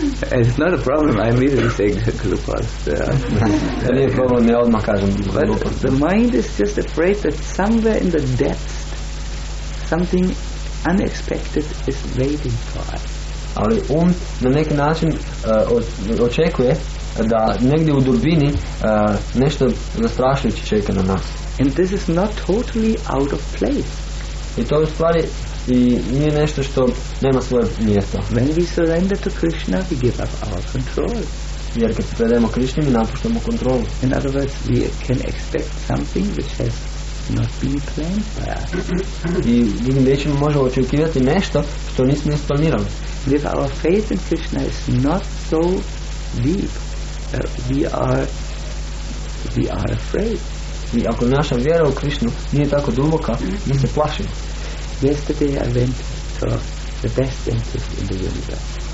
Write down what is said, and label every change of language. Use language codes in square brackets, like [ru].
[en] It's not a problem, I immediately say glupost. [hr] To nije problem, ja odmah kažem glupost. [en] The mind is just afraid that somewhere in the depths something unexpected is waiting for us. [hr] Ali on na neki način očekuje da negdje u dubini nešto zastrašujuće čeka na nas. [en] And this is not totally out of place. [hr] I to u stvari i nije nešto što nema svoje mjesto. [en] When we surrender to Krishna, we give up our control. [hr] Jer kad se predajemo Krishni, mi napuštamo kontrolu. [en] In other words, we can expect something which has not been planned by us. [hr] I drugim rečima možemo očekivati nešto što nismo isplanirali. [en] If our faith in Krishna is not so deep, we are afraid. [hr] I ako naša vjera u Krišnu nije tako duboka, mi se plašimo. [en] Yesterday I went to the best dentist in the universe.